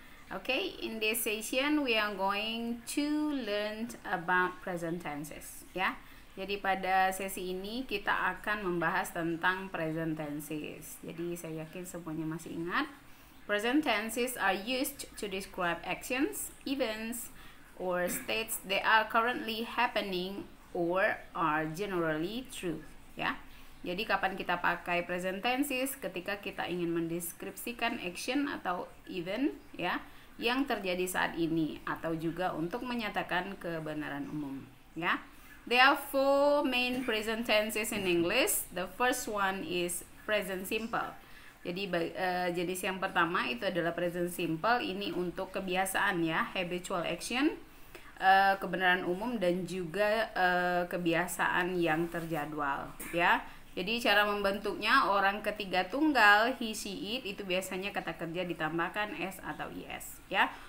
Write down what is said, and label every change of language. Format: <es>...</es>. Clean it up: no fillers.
<en>Okay, in this session we are going to learn about present tenses, ya.</en> <id>Jadi pada sesi ini kita akan membahas tentang present tenses. Jadi saya yakin semuanya masih ingat.</id> <en>Present tenses are used to describe actions, events, or states that are currently happening or are generally true, ya.</en> <id>Jadi kapan kita pakai present tenses? Ketika kita ingin mendeskripsikan action atau event, ya, yang terjadi saat ini, atau juga untuk menyatakan kebenaran umum, ya.</id> <en>There are four main present tenses in English. The first one is present simple.</en> <id>Jadi jenis yang pertama itu adalah present simple. Ini untuk kebiasaan, ya, habitual action, kebenaran umum, dan juga kebiasaan yang terjadwal, ya. Jadi cara membentuknya orang ketiga tunggal he, she, it itu biasanya kata kerja ditambahkan s atau es, ya.</id>